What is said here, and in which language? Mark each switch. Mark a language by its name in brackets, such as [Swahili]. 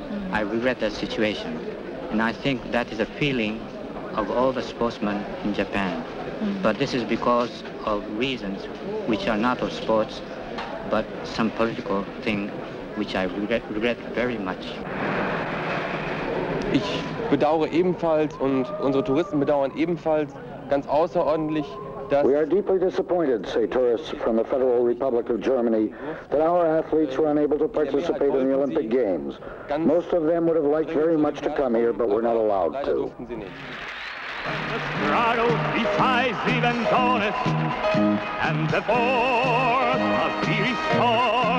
[English] I regret that situation, and I think that is a feeling of all the sportsmen in Japan. But this is because of reasons which are not of sports, but some political thing which I regret very much." [German] "Ich bedauere ebenfalls und unsere Touristen bedauern ebenfalls ganz außerordentlich, dass..." [English] "We are deeply disappointed," say tourists from the Federal Republic of Germany, "that our athletes were unable to participate in the Olympic Games. Most of them would have liked very much to come here, but were not allowed to." "The struggle decisive and honest, and the force must be restored.